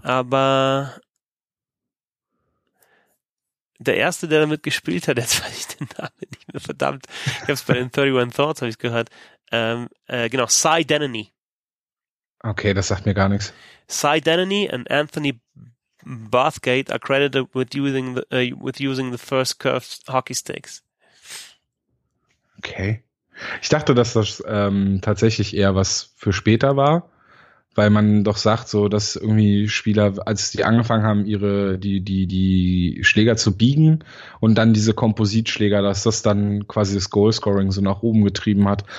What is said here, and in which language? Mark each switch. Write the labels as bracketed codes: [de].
[de] Aber der Erste, der damit gespielt hat, jetzt weiß ich den Namen nicht mehr, verdammt. Ich habe es bei den 31 Thoughts, habe ich gehört. Genau, Cy Denneny. Okay, das sagt mir gar nichts. [en] Cy Denneny and Anthony Bathgate are credited with using the first curved hockey sticks. [de] Okay. Ich dachte, dass das tatsächlich eher was für später war, weil man doch sagt, so dass irgendwie Spieler, als die angefangen haben, die Schläger zu biegen und dann diese Kompositschläger, dass das dann quasi das Goalscoring so nach oben getrieben hat.